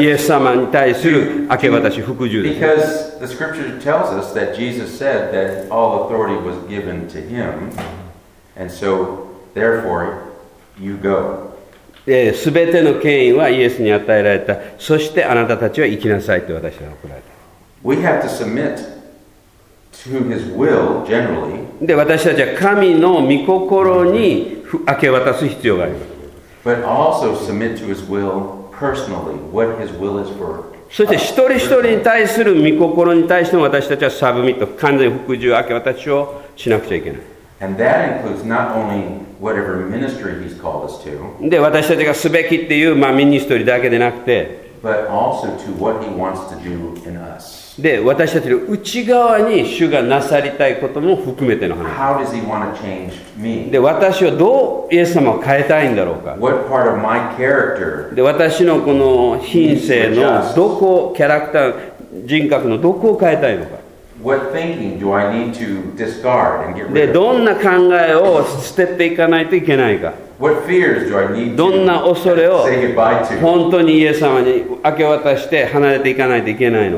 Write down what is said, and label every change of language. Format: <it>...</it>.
<ja>イエス様に対する明け渡し服従です。</ja> <en>Because the scripture tells us that Jesus said that all authority was given to him, and so therefore you go.</en> <ja>すべての権威はイエスに与えられた。そしてあなたたちは行きなさいと私は送られた。</ja> <en>We have to submit to his will generally.</en> <ja>で、私たちは神の御心に明け渡す必要があります。</ja> <en>But also submit to his will personally, what his will is for.</en> <ja>そして一人一人に対する御心に対しても私たちはサブミット、完全服従、明け渡しをしなくちゃいけない。</ja> <en>And that includes not only whatever ministry he's called us to.</en> <ja>で、私たちがすべきっていう、ミニストリーだけでなくて、</ja> <en>but also to what he wants to do in us.</en> <ja>で、私たちの内側に主がなさりたいことも含めての話。</ja> <en>How does he want to change me?</en> <ja>で、私はどうイエス様を変えたいんだろうか。</ja> <en>What part of my character?</en> <ja>で、私のこの品性のどこ、キャラクター、人格のどこを変えたいのか。</ja> <en>What thinking do I need to discard and get rid of?</en> <ja>で、どんな考えを捨てていかないといけないか。</ja> <en>What fears do I need to</en> <ja>どんな恐れを本当にイエス様に明け渡して離れていかないといけないの。</ja>